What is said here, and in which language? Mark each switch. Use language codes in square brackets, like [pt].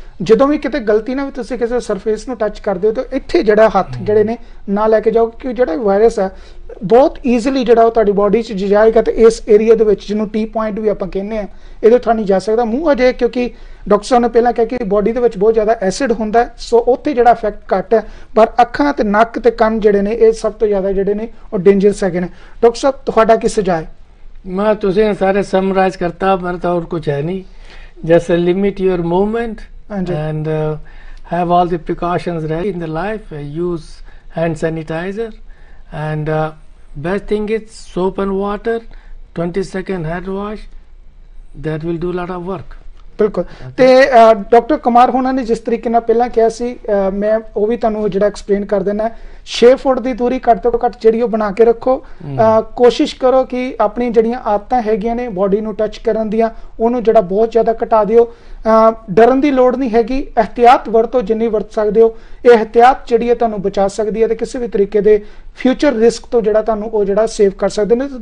[pa] ਜਦੋਂ ਵੀ ਕਿਤੇ ਗਲਤੀ ਨਾ ਵੀ ਤੁਸੀਂ ਕਿਸੇ ਸਰਫੇਸ ਨੂੰ ਟੱਚ ਕਰਦੇ ਹੋ ਤਾਂ ਇੱਥੇ ਜਿਹੜਾ ਹੱਥ ਜਿਹੜੇ ਨੇ ਨਾ ਲੈ ਕੇ ਜਾਓ, ਕਿਉਂਕਿ ਜਿਹੜਾ ਵਾਇਰਸ ਹੈ ਬਹੁਤ ਈਜ਼ੀਲੀ ਜਿਹੜਾ ਉਹ ਤੁਹਾਡੀ ਬਾਡੀ 'ਚ ਜਾਏਗਾ, ਅਤੇ ਇਸ ਏਰੀਆ ਦੇ ਵਿੱਚ ਜਿਹਨੂੰ ਟੀ ਪੁਆਇੰਟ ਵੀ ਆਪਾਂ ਕਹਿੰਦੇ ਹਾਂ, ਇਹਦੇ ਥਾਂ ਨਹੀਂ ਜਾ ਸਕਦਾ ਮੂੰਹ ਅਜੇ, ਕਿਉਂਕਿ ਡਾਕਟਰ ਸਾਹਿਬ ਨੇ ਪਹਿਲਾਂ ਕਿਹਾ ਕਿ ਬਾਡੀ ਦੇ ਵਿੱਚ ਬਹੁਤ ਜ਼ਿਆਦਾ ਐਸਿਡ ਹੁੰਦਾ, ਸੋ ਉੱਥੇ ਜਿਹੜਾ ਇਫੈਕਟ ਘੱਟ ਹੈ, ਪਰ ਅੱਖਾਂ ਅਤੇ ਨੱਕ ਅਤੇ ਕੰਨ ਜਿਹੜੇ ਨੇ ਇਹ ਸਭ ਤੋਂ ਜ਼ਿਆਦਾ ਜਿਹੜੇ ਨੇ ਉਹ ਡੇਂਜਰਸ ਹੈਗੇ ਨੇ। ਡਾਕਟਰ ਸਾਹਿਬ ਤੁਹਾਡਾ ਕੀ ਸੁਝਾਅ? ਮੈਂ ਤੁਸੀਂ ਸਾਰੇ ਸਮਰਾਈਜ਼ ਕਰਤਾ, ਮੇਰਾ ਤਾਂ ਹੋਰ ਕੁਝ ਹੈ ਨਹੀਂ, [en] just limit your movement and have all the precautions ready in the life, use hand sanitizer, and best thing is soap and water, 20-second hand wash, that will do lot of work. [pa] ਬਿਲਕੁਲ, ਅਤੇ doctor Kumar ਹੋਣਾ ਨੇ ਜਿਸ ਤਰੀਕੇ ਨਾਲ ਪਹਿਲਾਂ ਕਿਹਾ ਸੀ, ਮੈਂ ਉਹ ਵੀ ਤੁਹਾਨੂੰ ਜਿਹੜਾ ਐਕਸਪਲੇਨ ਕਰ ਦਿੰਦਾ, 6 ਫੁੱਟ ਦੀ ਦੂਰੀ ਘੱਟ ਤੋਂ ਘੱਟ ਜਿਹੜੀ ਉਹ ਬਣਾ ਕੇ ਰੱਖੋ, ਕੋਸ਼ਿਸ਼ ਕਰੋ ਕਿ ਆਪਣੀ ਜਿਹੜੀਆਂ ਆਦਤਾਂ ਹੈਗੀਆਂ ਨੇ ਬਾਡੀ ਨੂੰ ਟੱਚ ਕਰਨ ਦੀਆਂ, ਉਹਨੂੰ ਜਿਹੜਾ ਬਹੁਤ ਜ਼ਿਆਦਾ ਘਟਾ ਦਿਓ, ਡਰਨ ਦੀ ਲੋੜ ਨਹੀਂ ਹੈਗੀ, ਅਹਿਤਿਆਤ ਵਰਤੋਂ ਜਿੰਨੀ ਵਰਤ ਸਕਦੇ ਹੋ, ਇਹ ਅਹਿਤਿਆਤ ਜਿਹੜੀ ਹੈ ਤੁਹਾਨੂੰ ਬਚਾ ਸਕਦੀ ਹੈ ਅਤੇ ਕਿਸੇ ਵੀ ਤਰੀਕੇ ਦੇ ਫਿਊਚਰ ਰਿਸਕ ਤੋਂ ਜਿਹੜਾ ਤੁਹਾਨੂੰ ਉਹ ਜਿਹੜਾ ਸੇਵ ਕਰ ਸਕਦੇ ਨੇ।